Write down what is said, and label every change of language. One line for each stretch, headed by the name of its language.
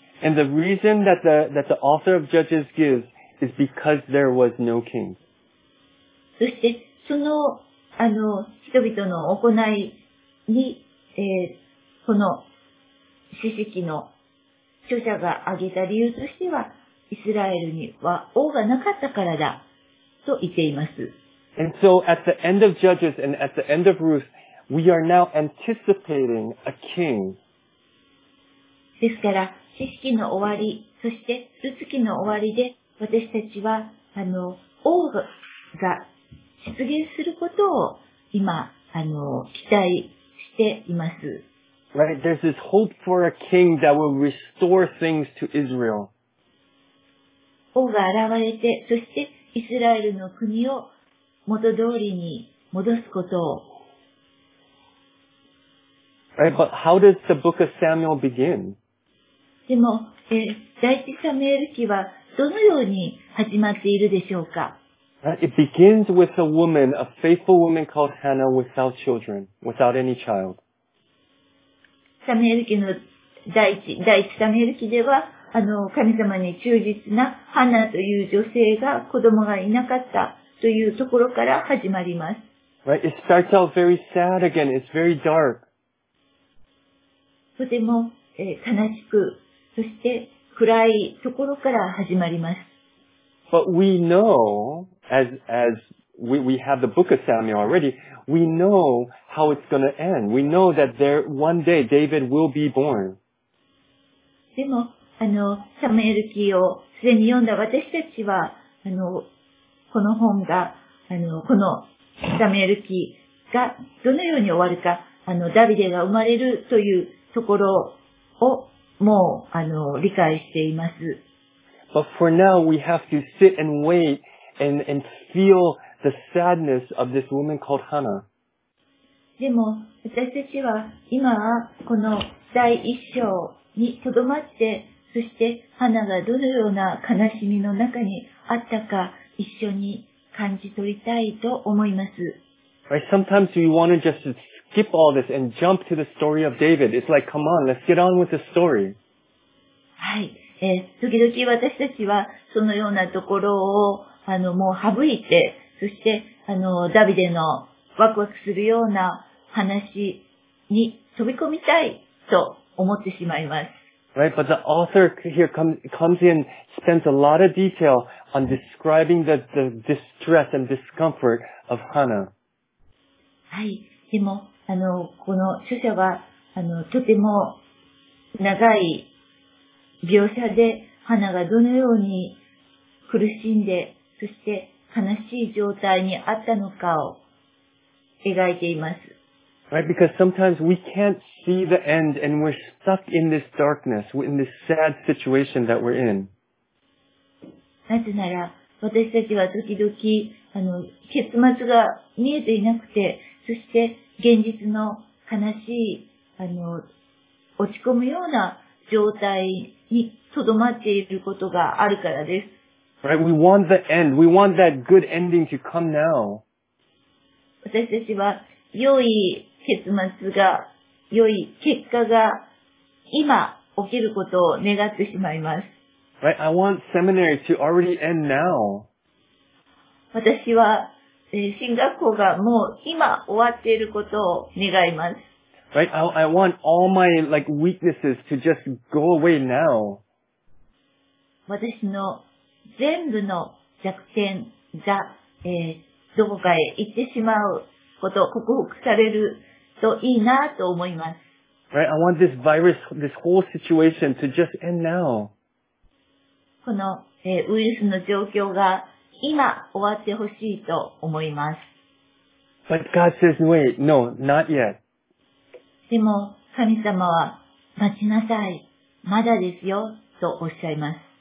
English: And the reason that the author of Judges gives is because there was no king.
Japanese: そして、その、人々の行いに、この、史記の著者が挙げた理由としては、イスラエルには王がなかったからだ、と言っています。
English: And so, at the end of Judges and at the end of Ruth, we are now anticipating a king.
Japanese: ですから、史記の終わり、そして、ルツ記の終わりで、私たちは、王が、出現することを今、期待しています。
English: Right, there's this hope for a king that will restore things to Israel.
Japanese: 王が現れて、そしてイスラエルの国を元通りに戻すことを。
English: Right, but how does the book of Samuel begin?
Japanese: でも、第一サムエル記はどのように始まっているでしょうか?
English: It begins with a woman, a faithful woman called Hannah without children, without any child.
Japanese: サムエル記の第一サムエル記では、神様に忠実なハナという女性が子供がいなかったというところから始まります。
English: Right, it starts out very sad again, it's very dark.
Japanese: とても、悲しく、そして暗いところから始まります。
English: But we know, as we have the book of Samuel already, we know how it's going to end. We know that there, one day, David will be born.
Japanese: でも、サムエル記をすでに読んだ私たちは、この本が、このサムエル記がどのように終わるか、ダビデが生まれるというところを、もう、理解しています。
English: But for now, we have to sit and wait and feel the sadness of this woman called Hannah.
Japanese: でも、私たちは今はこの第一章にとどまって、そして、ハナがどのような悲しみの中にあったか一緒に感じ取りたいと思います。
English: Right, sometimes we want to just skip all this and jump to the story of David. It's like, come on, let's get on with the story.
Japanese: はい。時々私たちはそのようなところをもう省いて、そしてダビデのワクワクするような話に飛び込みたいと思ってしまいます。
English: Right, but the author here comes in, spends a lot of detail on describing the distress and discomfort of Hannah.
Japanese: はい、でもこの著者はとても長い描写で、ハナがどのように苦しんで、そして悲しい状態にあったのかを描いています。
English: Right, because sometimes we can't see the end and we're stuck in this darkness, in this sad situation that we're in.
Japanese: なぜなら、私たちは時々、結末が見えていなくて、そして現実の悲しい、落ち込むような状態にとどまっていることがあるからです。
English: Right, we want the end. We want that good ending to come now.
Japanese: 私たちは良い結末が、良い結果が今起きることを願ってしまいます。
English: Right, I want seminary to already end now.
Japanese: 私は、神学校がもう今終わっていることを願います。
English: Right, I want all my, like, weaknesses to just go away now.
Japanese: 私の全部の弱点が、どこかへ行ってしまうこと、克服されるといいなと思います。
English: Right, I want this virus, this whole situation to just end now.
Japanese: この、ウイルスの状況が今終わってほしいと思います。
English: But God says, wait, no, not yet.
Japanese: でも神様は待ちなさい、まだですよとおっしゃいます。